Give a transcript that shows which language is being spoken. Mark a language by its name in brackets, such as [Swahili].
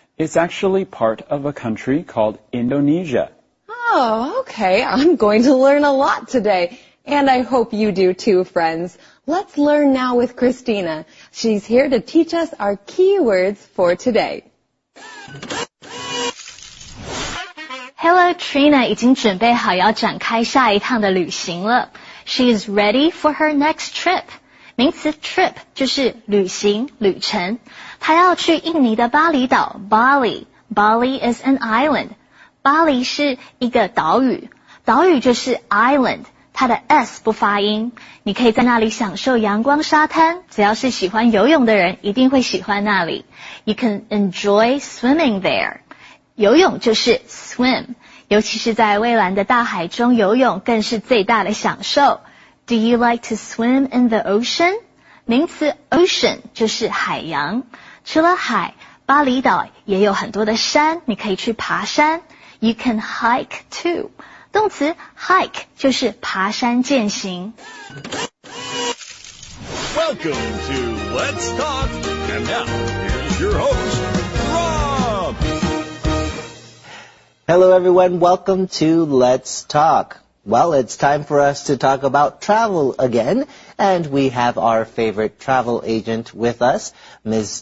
[English] It's actually part of a country called Indonesia. Oh, okay. I'm going to learn a lot today. And I hope you do too, friends. Let's learn now with Christina. She's here to teach us our keywords for today. Hello, [Chinese] Trina 已经准备好要展开下一趟的旅行了。 [English] She is ready for her next trip. [Chinese] 名词 trip 就是旅行、旅程。她要去印尼的巴厘岛 Bali. [English] Bali is an island. Bali [Chinese] 是一个岛屿。岛屿就是 island, 它的 S 不发音。你可以在那里享受阳光沙滩。只要是喜欢游泳的人一定会喜欢那里。 [English] You can enjoy swimming there. [Chinese] 游泳就是 swim, 尤其是在蔚蓝的大海中游泳更是最大的享受。 [English] Do you like to swim in the ocean? [Chinese] 名词 ocean 就是海洋。除了海，巴厘岛也有很多的山，你可以去爬山。 [English] You can hike too. [Chinese] 动词 hike 就是爬山健行。 [English] Welcome to Let's Talk, and now here's your host, Hello everyone, welcome to Let's Talk. Well, it's time for us to talk about travel again, and we have our favorite travel agent with us, Ms.